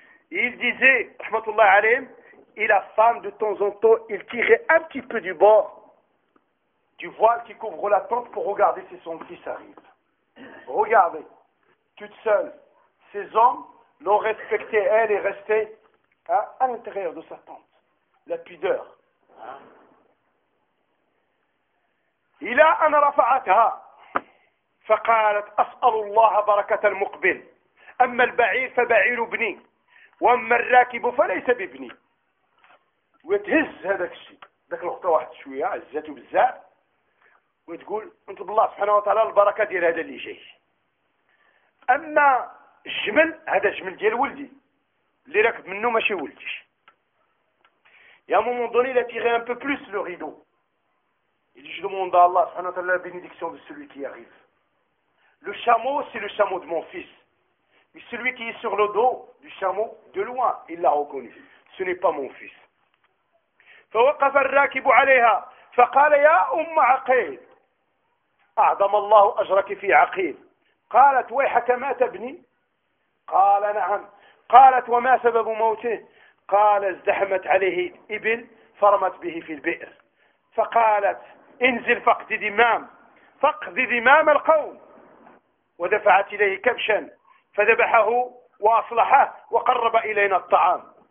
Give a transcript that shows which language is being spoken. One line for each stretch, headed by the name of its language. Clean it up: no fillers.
French: Et il disait, Rahmatullah alayhim, et la femme, de temps en temps, il tirait un petit peu du bord du voile qui couvre la tente pour regarder si son fils arrive. Regardez, toute seule, ces hommes l'ont respecté, elle est restée à l'intérieur de sa tente. La pudeur.
Arabic: إلى أن رفعتها فقالت أسأل الله بركة المقبل أما البعير فبعير ابني وأما الراكب فليس بابني. وتهز هذاك الشيء ذاك الوقت واحد شوية عزته بزاف وتقول أنت بالله سبحانه وتعالى البركة ديال هذا اللي جاي. أما الجمل هذا الجمل ديال ولدي اللي راكب منه ماشي ولدي.
French: Et à un moment donné, il a tiré un peu plus le rideau. Il dit, je demande à Allah, subhanahu wa ta'ala, la bénédiction de celui qui arrive. Le chameau, c'est le chameau de mon fils. Mais celui qui est sur le dos du chameau, de loin, il l'a reconnu. Ce n'est pas mon fils.
Arabic: فَوَقَفَ الرَّاكِبُ عَلَيْهَا فَقَالَ يَا أُمَّ عَقِيلَ أَعْضَمَ اللَّهُ أَجْرَكِ فِي عَقِيلَ قَالَتْ وَيْحَكَ مَاتَ ابْنِي قَالَ نَعَمْ قَالَتْ وَمَا سَبَبُ مَوْتِهِ قال ازدحمت عليه ابل فرمت به في البئر فقالت انزل فاقضي دمام فاقضي دمام القوم ودفعت اليه كبشا فذبحه واصلحه وقرب الينا الطعام.